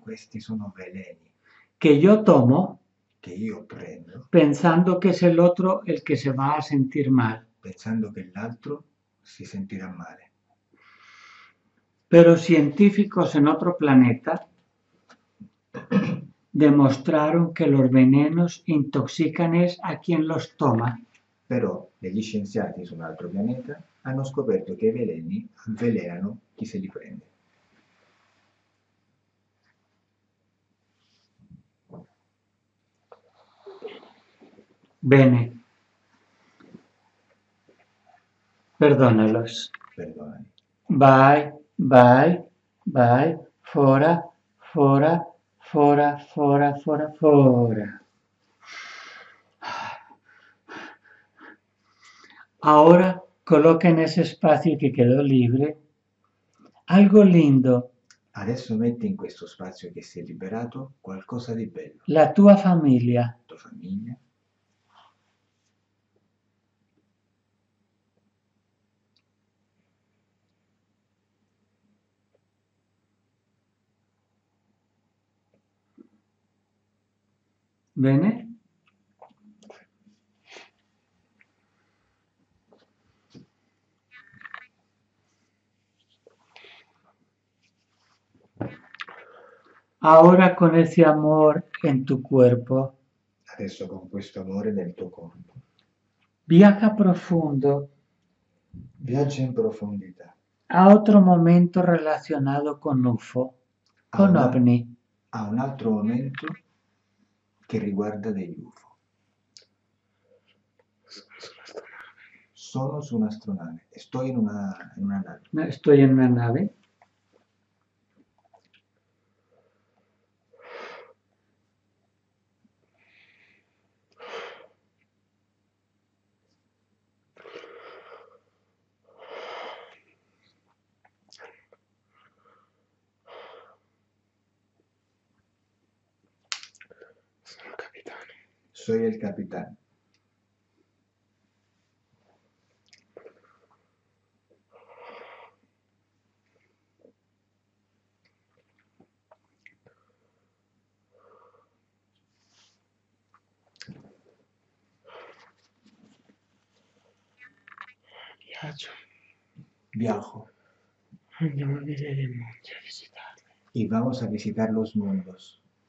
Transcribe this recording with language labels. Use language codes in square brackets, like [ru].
[it] questi sono veleni, [es] que yo tomo, [it] che io prendo, [es] pensando que es el otro el que se va a sentir mal, [it] pensando che l'altro si sentirà male. [es] Pero científicos en otro planeta demostraron que los venenos intoxican es a quien los toma. [it] Però degli scienziati su un altro pianeta hanno scoperto che i veleni avvelenano chi se li prende. Bene. [es] Perdonalos. [it] Perdonami. Bye, bye, bye, fora, fora, fora, fora, fora, fora. [es] Ahora coloca en ese espacio que quedó libre algo lindo. [it] Adesso metti in questo spazio che si è liberato qualcosa di bello. La tua famiglia. La tua famiglia. Bene? [es] Ahora con ese amor en tu cuerpo. [it] Adesso con questo amore nel tuo corpo. [es] Viaja profundo. [it] Viaggia in profondità. [es] A otro momento relacionado con UFO, con OVNI. [it] A un altro momento che riguarda degli UFO. Sono su un'astronave. Sto in una nave. No, sto in una nave. [es] Soy el capitán. Viajo. Viajo. [it] Andiamo a vedere il mondo, a visitarlo. [es] Y vamos a visitar los mundos.